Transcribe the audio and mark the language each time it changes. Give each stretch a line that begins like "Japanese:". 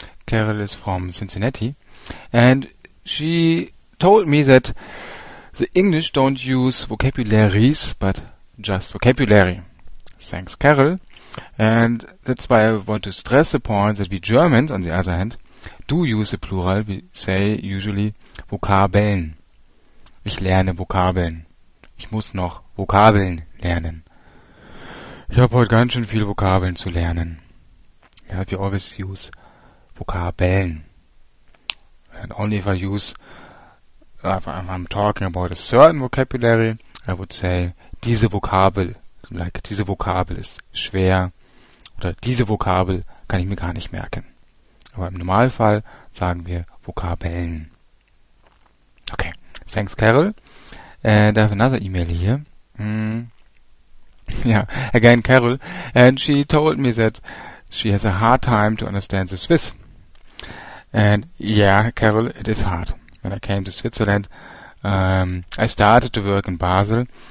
English: Carol is from Cincinnati. And she told me that the English don't use vocabularies, but just vocabulary. Thanks, Carol. And that's why I want to stress the point that we Germans, on the other hand, do use the plural. We say usually Vokabeln.
German: Ich lerne Vokabeln. Ich muss noch Vokabeln lernen. Ich habe heute ganz schön viel Vokabeln zu lernen.
English: Yeah, we always use Vokabeln. And only if I use, if I'm talking about a certain vocabulary, I would say,
German: diese Vokabel,
English: like,
German: diese Vokabel ist schwer, oder diese Vokabel kann ich mir gar nicht merken. Aber im Normalfall sagen wir Vokabeln.
English: Okay, thanks Carol. And I have another email here. Yeah, again Carol. And she told me that she has a hard time to understand the Swiss. And yeah, Carol, it is hard. When I came to Switzerland, I started to work in Basel.